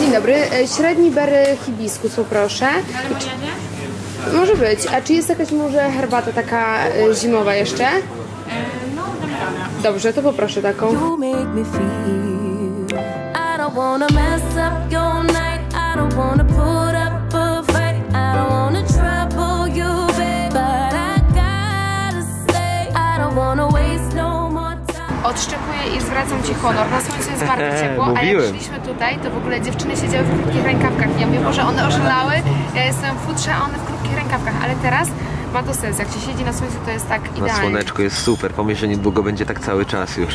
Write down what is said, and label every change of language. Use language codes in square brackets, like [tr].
[pl] Dzień dobry, średni ber hibiskusu, proszę. Może być. A czy jest jakaś może herbata taka zimowa jeszcze? No, dobrze, to poproszę taką. [en] You make me feel. I don't wanna mess up your night. I don't wanna put up a fight. I don't wanna trouble you, babe. But I gotta say, I don't wanna waste no more time. [pl] Odszczekuję i zwracam ci honor. Na słońcu jest bardzo ciepło, a jak szliśmy tutaj, to w ogóle dziewczyny siedziały w krótkich rękawkach. Ja mówię, może one oszalały, ja jestem w futrze, a one w rękawkach, ale teraz ma to sens. Jak się siedzi na słońcu, to jest tak idealnie. Na słoneczku jest super. Pomyśl, że niedługo będzie tak cały czas już.